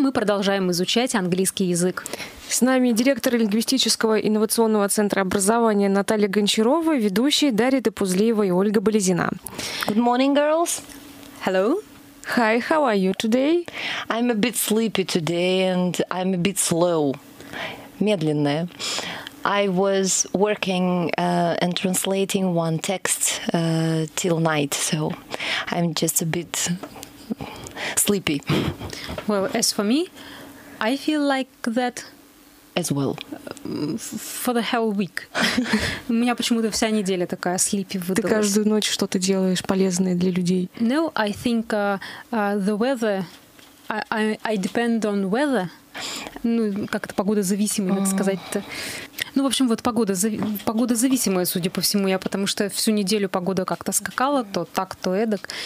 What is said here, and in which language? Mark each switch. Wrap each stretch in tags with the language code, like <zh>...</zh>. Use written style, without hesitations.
<ru>Мы продолжаем изучать английский язык. С нами директор лингвистического инновационного центра образования Наталья Гончарова, ведущие Дарья Допузлиева и Ольга Болезина.</ru> <en>Good morning, girls. Hello. Hi, how are you today? I'm a bit sleepy today and I'm a bit slow.</en> <ru>Медленная.</ru> <en>I was working and translating one text till night, so I'm just a bit sleepy. Well, as for me, I feel like that as well. For the whole week.</en> <ru>У меня почему-то вся неделя такая</ru> <en>sleepy</en> <ru>выдалась. Ты каждую ночь что-то делаешь полезное для людей?</ru> <en>No, I think the weather. I depend on weather.</en> <ru>Ну, как это, погода зависимая, так сказать-то. Ну, в общем, вот погода зависимая, судя по всему, я, потому что всю неделю погода как-то скакала, то так, то эдак.</ru>